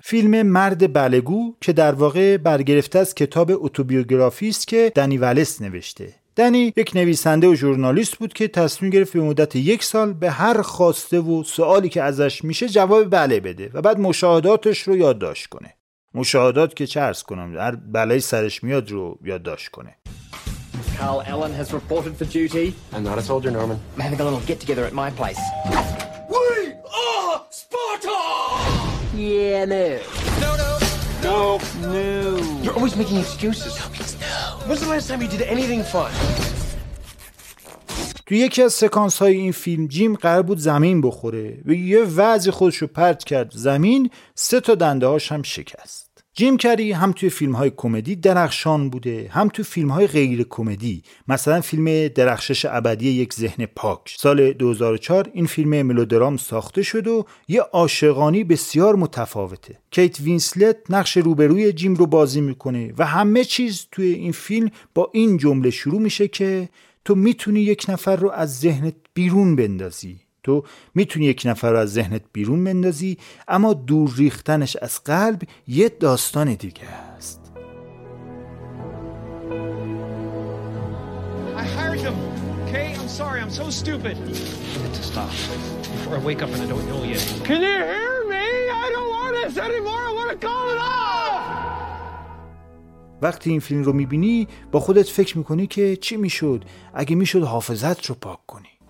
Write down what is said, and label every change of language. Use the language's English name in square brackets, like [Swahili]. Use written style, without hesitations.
[Persian] فیلم مرد بلگو که در واقع برگرفته از کتاب اتوبیوگرافی است که دنی ولس نوشته. دنی یک نویسنده و ژورنالیست بود که تصمیم گرفت به مدت یک سال به هر خواسته و سوالی که ازش میشه جواب بله بده و بعد مشاهداتش رو یادداشت کنه. مشاهدات که چه عرض کنم، هر بلایی سرش میاد رو یادداشت کنه. [English] Carl Allen has reported for duty. I'm not a soldier, Norman. I'm having a little get together at my place. We are Sparta! Yeah, no. No, no. No. No. You're always making excuses. No, means no. When's the last time you did anything fun? [Persian] تو یکی از سکانس های این فیلم جیم قرار بود زمین بخوره و یه وضعی خودشو پرت کرد زمین، سه تا دنده هاش هم شکست. جیم کری هم توی فیلم‌های کمدی درخشان بوده، هم توی فیلم‌های غیر کمدی. مثلا فیلم درخشش ابدی یک ذهن پاک سال 2004، این فیلم ملودرام ساخته شد و یه عاشقانه بسیار متفاوته. کیت وینسلت نقش روبروی جیم رو بازی می‌کنه و همه چیز توی این فیلم با این جمله شروع میشه که تو میتونی یک نفر رو از ذهنت بیرون بندازی. تو میتونی یک نفر رو از ذهنت بیرون مندازی، اما دور ریختنش از قلب یه داستان دیگه است. [English] I hired him. Okay, I'm sorry. I'm so stupid. You need to stop. Before I wake up and I don't know yet. Can you hear me? I don't want this anymore. I want to call it off. [Persian] وقتی این فیلم رو میبینی با خودت فکر میکنی که چی میشد اگه میشد حافظت رو پاک کنی.